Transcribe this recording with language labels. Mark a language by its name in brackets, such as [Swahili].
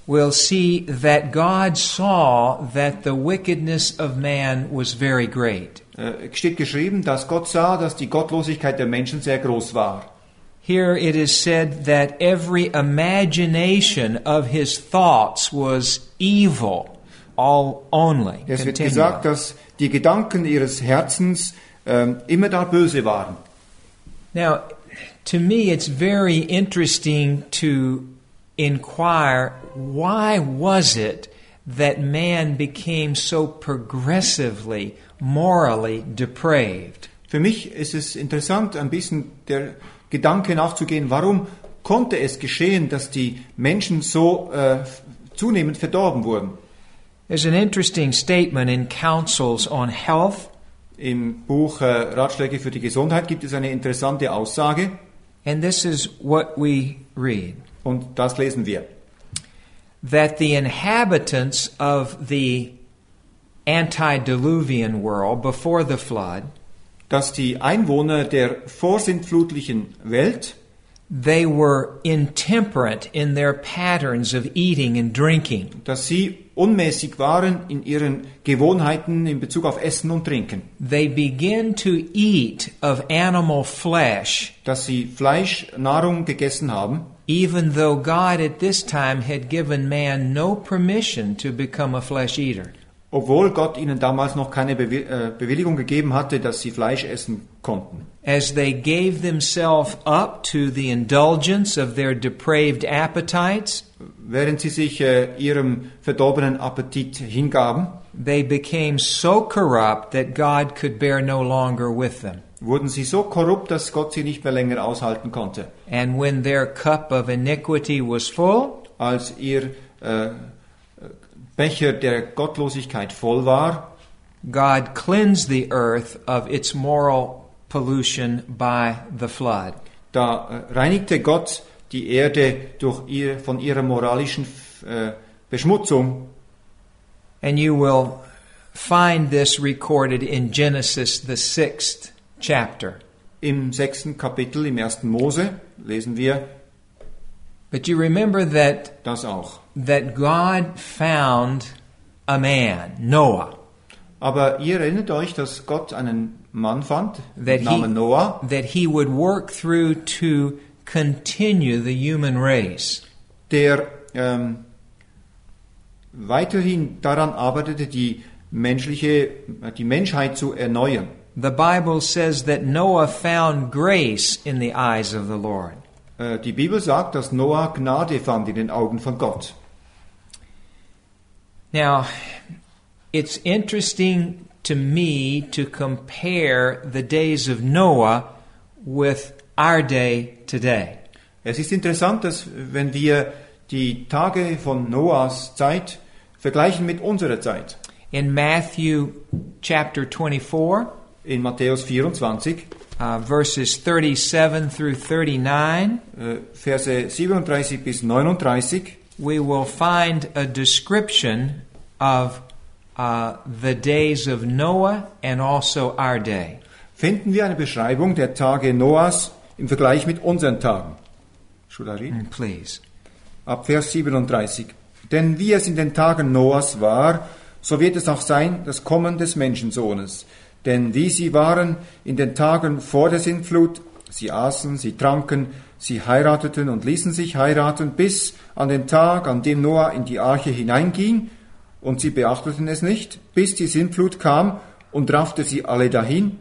[English] we'll see that God saw that the wickedness of man was very great. [German] Steht geschrieben, dass Gott sah, dass die Gottlosigkeit der Menschen sehr groß war. [English] Here it is said that every imagination of his thoughts was evil, all only. [German] Es wird gesagt, dass die Gedanken ihres Herzens immer da böse waren. [English] Now, to me, it's very interesting to inquire, why was it that man became so progressively morally depraved. [German] Für mich ist es interessant, ein bisschen der Gedanke nachzugehen, warum konnte es geschehen, dass die Menschen so zunehmend verdorben wurden. [English] There's an interesting statement in Councils on Health. [German] Im Buch Ratschläge für die Gesundheit gibt es eine interessante Aussage. [English] And this is what we read. [German] Und das lesen wir. [English] That the inhabitants of the antediluvian world before the flood, [German] dass die Einwohner der vorsintflutlichen Welt, [English] they were intemperate in their patterns of eating and drinking. [German] Dass sie unmäßig waren in ihren Gewohnheiten in Bezug auf Essen und Trinken. [English] They begin to eat of animal flesh. [German] Dass sie Fleischnahrung gegessen haben. [English] Even though God at this time had given man no permission to become a flesh eater. [German] Obwohl Gott ihnen damals noch keine Bewilligung gegeben hatte, dass sie Fleisch essen konnten. [English] As they gave themselves up to the indulgence of their depraved appetites, [German] während sie sich ihrem verdorbenen Appetit hingaben, [English] they became so corrupt that God could bear no longer with them. [German] Wurden sie so korrupt, dass Gott sie nicht mehr länger aushalten konnte. [English] And when their cup of iniquity was full, [German] als ihr Becher der Gottlosigkeit voll war, [English] God cleansed the earth of its moral pollution by the flood. [German] Da reinigte Gott die Erde durch ihr von ihrer moralischen Beschmutzung. [English] And you will find this recorded in Genesis, the sixth chapter. [German] Im sechsten Kapitel im ersten Mose lesen wir. [English] But you remember that [German] das auch. [English] That God found a man, Noah. [German] Aber ihr erinnert euch, dass Gott einen Mann fand, namen Noah. [English] That he would work through to continue the human race. [German] Der weiterhin daran arbeitete, die Menschheit zu erneuern. [English] The Bible says that Noah found grace in the eyes of the Lord. [German] Die Bibel sagt, dass Noah Gnade fand in den Augen von Gott. [English] Now, it's interesting to me to compare the days of Noah with our day today. [German] Es ist interessant, dass wenn wir die Tage von Noahs Zeit vergleichen mit unserer Zeit. [English] In Matthew chapter 24, [German] in Matthäus 24, [English] verses 37 through 39, [German] Verse 37 bis 39, [English] we will find a description of the days of Noah and also our day. [German] Finden wir eine Beschreibung der Tage Noahs im Vergleich mit unseren Tagen. [English] Should I read? Please. [German] Ab Vers 37. Denn wie es in den Tagen Noahs war, so wird es auch sein, das Kommen des Menschensohnes. Denn wie sie waren in den Tagen vor der Sintflut, sie aßen, sie tranken, sie heirateten und ließen sich heiraten, bis an den Tag, an dem Noah in die Arche hineinging, und sie beachteten es nicht, bis die Sintflut kam und raffte sie alle dahin.